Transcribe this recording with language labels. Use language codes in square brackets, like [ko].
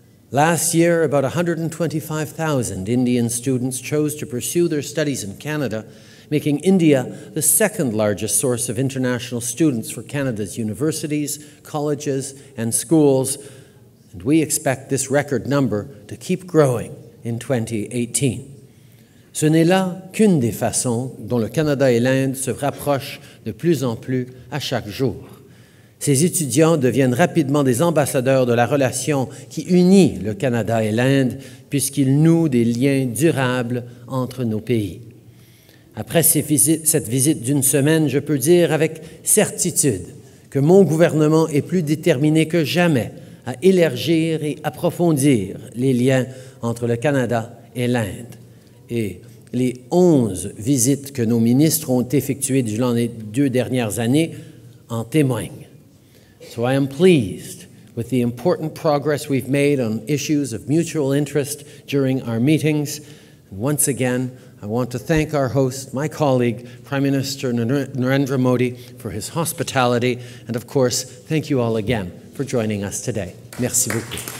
[en] Last year, about 125,000 Indian students chose to pursue their studies in Canada, making India the second largest source of international students for Canada's universities, colleges, and schools, and we expect this record number to keep growing in 2018. [fr] Ce n'est là qu'une des façons dont le Canada et l'Inde se rapprochent de plus en plus à chaque jour. Ces étudiants deviennent rapidement des ambassadeurs de la relation qui unit le Canada et l'Inde, puisqu'ils nouent des liens durables entre nos pays. Après cette visite d'une semaine, je peux dire avec certitude que mon gouvernement est plus déterminé que jamais à élargir et approfondir les liens entre le Canada et l'Inde. Et les 11 visites que nos ministres ont effectuées durant les deux dernières années en témoignent. [en] So I am pleased with the important progress we've made on issues of mutual interest during our meetings. And once again, I want to thank our host, my colleague, Prime Minister Narendra Modi, for his hospitality. And of course, thank you all again for joining us today. [fr] Merci beaucoup.